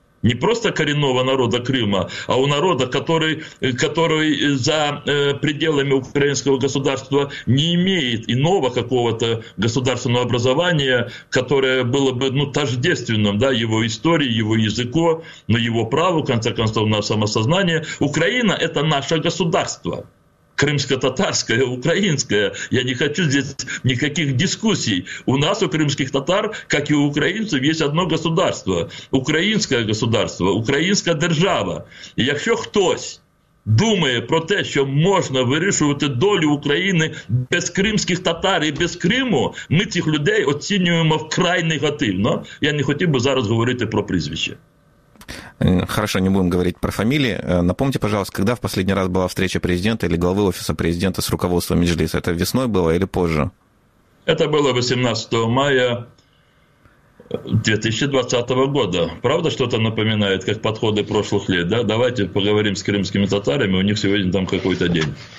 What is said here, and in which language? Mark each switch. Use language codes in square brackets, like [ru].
[ru] не просто коренного народа Крыма, а у народа, который за пределами украинского государства не имеет иного какого-то государственного образования, которое было бы тождественным, да, его истории, его языку, но его праву, в конце концов, на самосознание. Украина – это наше государство. Крымско-татарское, украинское. Я не хочу здесь никаких дискуссий. У нас, у крымских татар, как и у украинцев, есть одно государство. Украинское государство, украинская держава. [uk] И якщо хтось думає про те, що можна вирішувати долю України без кримських татар і без Криму, ми цих людей оцінюємо вкрай негативно. Я не хотів би зараз говорити про прізвище. [ru] Хорошо, не будем говорить про фамилии. Напомните, пожалуйста, когда в последний раз была встреча президента или главы офиса президента с руководством Меджлиса? Это весной было или позже? Это было 18 мая 2020 года. Правда, что-то напоминает, как подходы прошлых лет, да? Давайте поговорим с крымскими татарами, у них сегодня там какой-то день.